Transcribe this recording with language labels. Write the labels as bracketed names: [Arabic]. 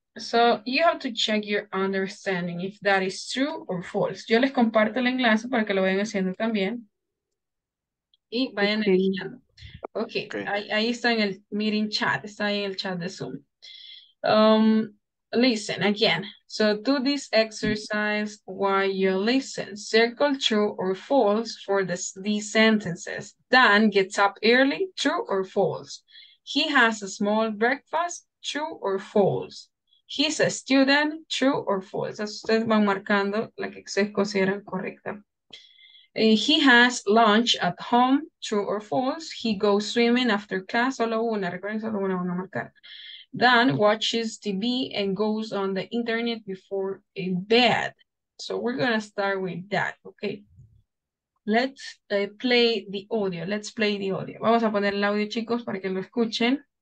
[English] So you have to check your understanding if that is true or false. [Spanish] Yo les comparto el enlace para que lo vayan haciendo también. Y vayan eligiendo. Okay. Ahí está en el meeting chat. Está ahí en el chat de Zoom. [English] Listen again. So do this exercise while you listen. Circle true or false for these sentences. Dan gets up early. True or false? He has a small breakfast. True or false? He's a student, true or false. [Spanish] Ustedes van marcando la que se considera correcta. [English] He has lunch at home, true or false. He goes swimming after class, [Spanish] solo una. Recuerden, solo una van a marcar. [English] Dan watches TV and goes on the internet before bed. So we're going to start with that, okay? Let's play the audio. Let's play the audio. [Spanish] Vamos a poner el audio, chicos, para que lo escuchen.